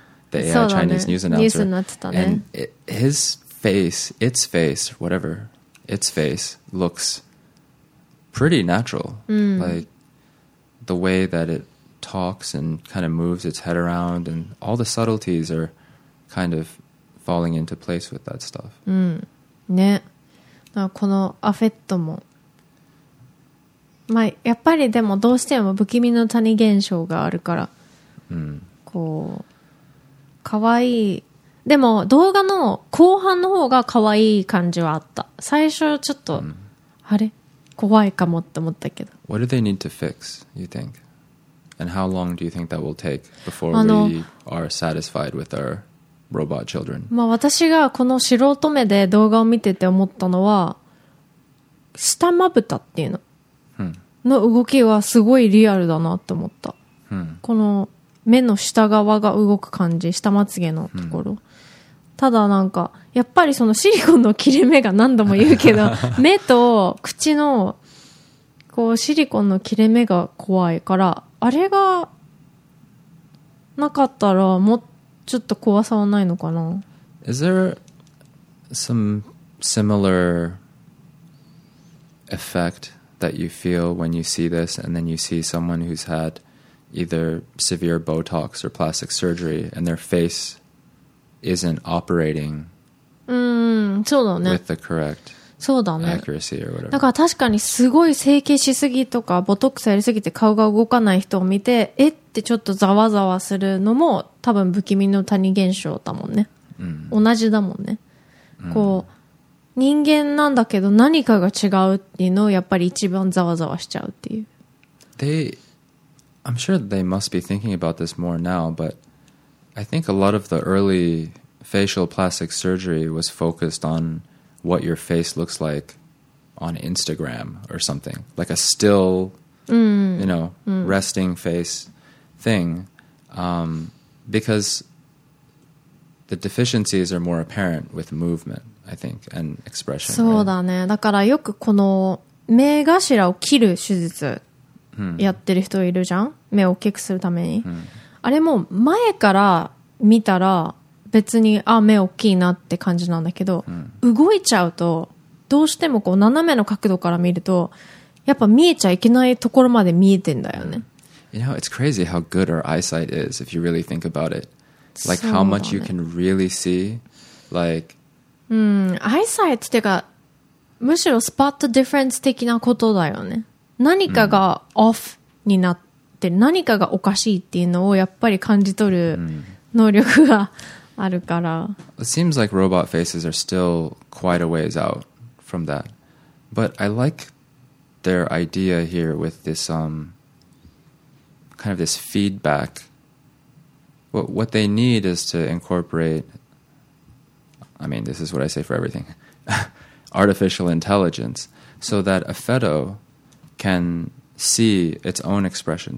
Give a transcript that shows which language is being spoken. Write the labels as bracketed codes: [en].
[en] The AI Chinese news announcer. And its face looks pretty natural. Mm. Like the way that it talks and kind of moves its head around, and all the subtleties are kind of falling into place with that stuff. Mm. Yeah. [ja] このアフェットも、まあ、やっぱりでもどうしても不気味の谷現象があるから、こう可愛い。でも動画の後半の方が可愛い感じはあった。最初ちょっと、あれ怖いかもって思ったけど。 [en] What do they need to fix, you think? And how long do you think that will take before we are satisfied with ourRobot children. [ja] まあ私がこの素人目で動画を見てて思ったのは、下まぶたっていうの、の動きはすごいリアルだなって思った。この目の下側が動く感じ、下まつげのところ。ただなんか、やっぱりそのシリコンの切れ目が何度も言うけど、目と口のこうシリコンの切れ目が怖いから、あれがなかったらもっとちょっと怖さはないのかな? [en] Is there some similar effect that you feel when you see this and then you see someone who's had either severe Botox or plastic surgery and their face isn't operating with the correct accuracy or whatever? [ja] だから確かにすごい整形しすぎとか Botox やりすぎて顔が動かない人を見て、えってちょっとざわざわするのも多分不気味の谷現象だもんね、同じだもんね、こう人間なんだけど何かが違うっていうのをやっぱり一番ざわざわしちゃうっていう。 [en] I'm sure they must be thinking about this more now, but I think a lot of the early facial plastic surgery was focused on what your face looks like on Instagram or something, like a still you know, resting face thing, because the deficiencies are more apparent with movement, I think, and expression. [ja] そうだね。だからよくこの目頭を切る手術やってる人いるじゃん。目を大きくするために。あれも前から見たら別に、あ、目大きいなって感じなんだけど、動いちゃうとどうしてもこう斜めの角度から見るとやっぱ見えちゃいけないところまで見えてんだよね。 [en] You know, it's crazy how good our eyesight is if you really think about it. Like how much you can really see. Like, [ja] eyesight ってか、むしろスパットディフェンス的なことだよね。何かがオフになって、何かがおかしいっていうのをやっぱり感じ取る能力があるから。 [en] It seems like robot faces are still quite a ways out from that. But I like their idea here with this, kind of this feedback. What they need is to incorporate, I mean, this is what I say for everything, artificial intelligence, so that a fedo can see its own expression.